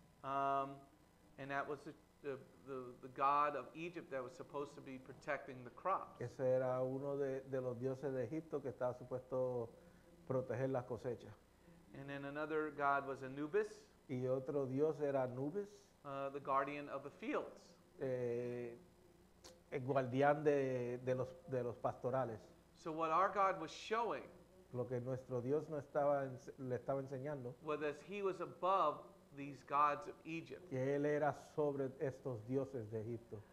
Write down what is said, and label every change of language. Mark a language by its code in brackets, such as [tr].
[en] And that was the god of Egypt that was supposed to be protecting the crops. [es] Ese era uno de los dioses de Egipto que estaba supuesto proteger las cosechas. [en] And then another god was Anubis. [es] Y otro dios era Anubis. [en] The guardian of the fields. [es] El guardián de los pastorales. [en] So what our God was showing, [es] lo que nuestro Dios no estaba le estaba enseñando, [en] was he was above these gods of Egypt. [es] Que él era sobre estos dioses de Egipto.